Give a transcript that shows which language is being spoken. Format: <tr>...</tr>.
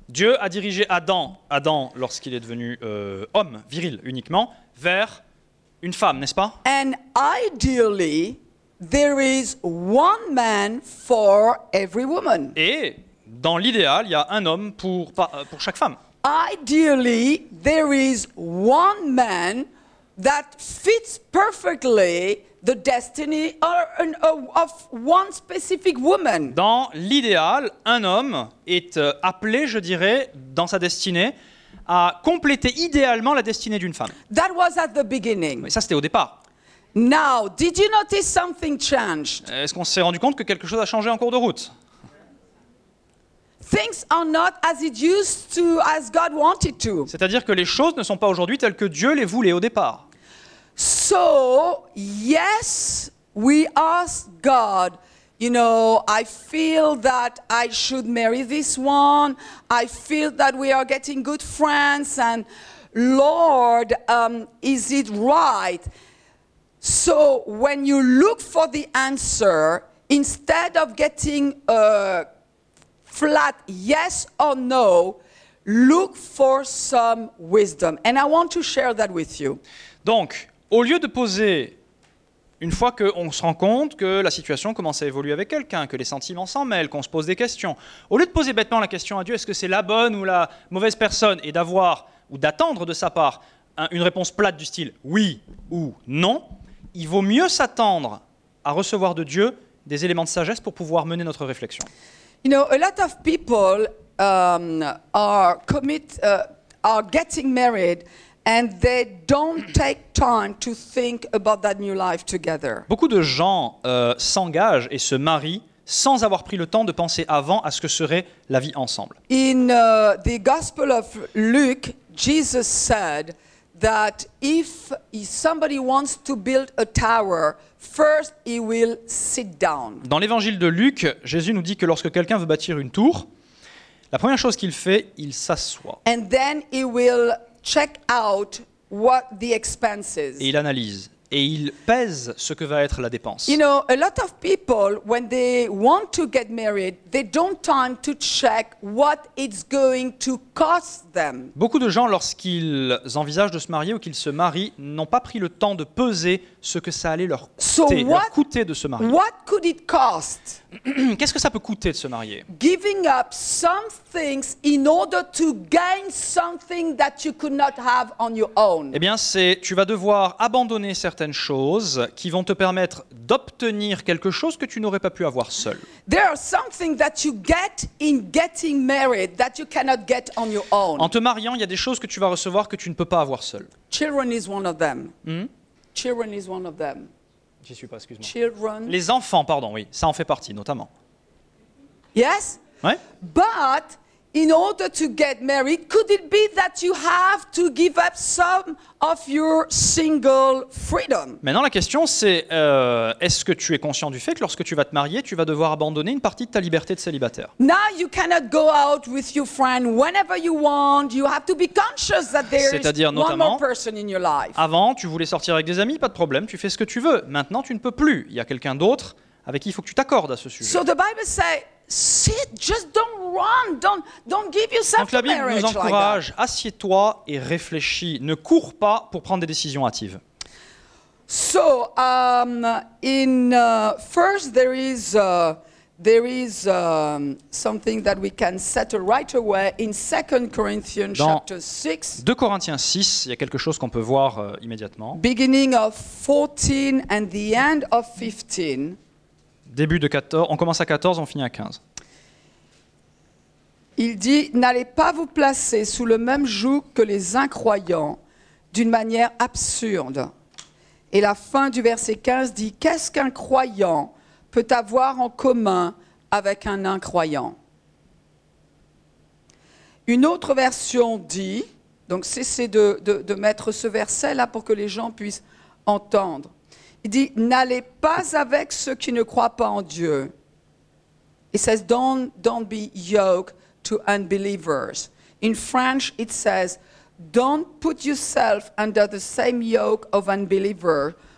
<fr>Dieu a dirigé Adam lorsqu'il est devenu homme viril uniquement vers une femme, n'est-ce pas?</fr> <en>And ideally there is one man for every woman.</en> <fr>Et dans l'idéal, il y a un homme pour chaque femme.</fr> <en>Ideally there is one man that fits perfectly the destiny of one specific woman.</en> <fr>Dans l'idéal, un homme est appelé, je dirais, dans sa destinée, à compléter idéalement la destinée d'une femme.</fr> <en>That was at the beginning.</en> <fr>Mais ça, c'était au départ.</fr> <en>Now, did you notice something changed?</en> <fr>Est-ce qu'on s'est rendu compte que quelque chose a changé en cours de route?</fr> <en>Things are not as it used to, as God wanted to.</en> <fr>C'est-à-dire que les choses ne sont pas aujourd'hui telles que Dieu les voulait au départ.</fr> <en>So, yes, we ask God, you know, I feel that I should marry this one. I feel that we are getting good friends. And Lord, is it right? So, when you look for the answer, instead of getting a flat yes or no, look for some wisdom. And I want to share that with you.</en> <fr>Donc, au lieu de poser, une fois qu'on se rend compte que la situation commence à évoluer avec quelqu'un, que les sentiments s'en mêlent, qu'on se pose des questions, au lieu de poser bêtement la question à Dieu, est-ce que c'est la bonne ou la mauvaise personne, et d'avoir ou d'attendre de sa part une réponse plate du style oui ou non, il vaut mieux s'attendre à recevoir de Dieu des éléments de sagesse pour pouvoir mener notre réflexion.</fr> <en>You know, a lot of people are getting married. And they don't take time to think about that new life together.</en> <fr>Beaucoup de gens s'engagent et se marient sans avoir pris le temps de penser avant à ce que serait la vie ensemble.</fr> <en>In the Gospel of Luke, Jesus said that if somebody wants to build a tower, first he will sit down.</en> <fr>Dans l'évangile de Luc, Jésus nous dit que lorsque quelqu'un veut bâtir une tour, la première chose qu'il fait, il s'assoit.</fr> <en>And then he will check out what the expenses.</en> <fr>Et il analyse et il pèse ce que va être la dépense.</fr> <en>You know, a lot of people when they want to get married, they don't time to check what it's going to cost them.</en> <fr>Beaucoup de gens lorsqu'ils envisagent de se marier ou qu'ils se marient n'ont pas pris le temps de peser ce que ça allait leur coûter, de se marier.</fr> <en>What could it cost?</en> <fr>Qu'est-ce que ça peut coûter de se marier?</fr> <en>Giving up some things in order to gain something that you could not have on your own.</en> <fr>Eh bien, c'est tu vas devoir abandonner certaines choses qui vont te permettre d'obtenir quelque chose que tu n'aurais pas pu avoir seul.</fr> <en>There are some things that you get in getting married that you cannot get on your own.</en> <fr>En te mariant, il y a des choses que tu vas recevoir que tu ne peux pas avoir seul.</fr> <en>Children is one of them. Children is one of them.</en> <fr>J'y suis pas, excuse-moi.</fr> <en>Children.</en> <fr>Les enfants, pardon, oui, ça en fait partie, notamment.</fr> <en>Yes.</en> <fr>Ouais.</fr> <en>But in order to get married, could it be that you have to give up some of your single freedom?</en> <fr>Maintenant, la question, c'est est-ce que tu es conscient du fait que lorsque tu vas te marier, tu vas devoir abandonner une partie de ta liberté de célibataire?</fr> <en>Now you cannot go out with your friend whenever you want. You have to be conscious that there</en> <fr>C'est-à-dire,</fr> <en>is</en> <fr>notamment,</fr> <en>one more person in your life.</en> <fr>Avant, tu voulais sortir avec des amis, pas de problème, tu fais ce que tu veux. Maintenant, tu ne peux plus. Il y a quelqu'un d'autre avec qui il faut que tu t'accordes à ce sujet.</fr> <en>So the Bible says, sit, just don't run, don't give yourself.</en> <fr>Donc la Bible nous encourage,</fr> <en>like</en> <fr>assieds-toi et réfléchis, ne cours pas pour prendre des décisions hâtives.</fr> <en>So first there is something that we can settle right away in 2 Corinthians</en> <fr>Dans</fr> <en>chapter 6.</en> <fr>2 Corinthiens 6, il y a quelque chose qu'on peut voir immédiatement.</fr> <en>Beginning of 14 and the end of 15.</en> <fr>Début de 14, on commence à 14, on finit à 15. Il dit, n'allez pas vous placer sous le même joug que les incroyants d'une manière absurde. Et la fin du verset 15 dit, qu'est-ce qu'un croyant peut avoir en commun avec un incroyant? Une autre version dit, donc cessez de mettre ce verset là pour que les gens puissent entendre. Il dit, n'allez pas avec ceux qui ne croient pas en Dieu.</fr> <en>It says, don't be yoked to unbelievers. In French, it says, don't put yourself under the same yoke of unbeliever.</en>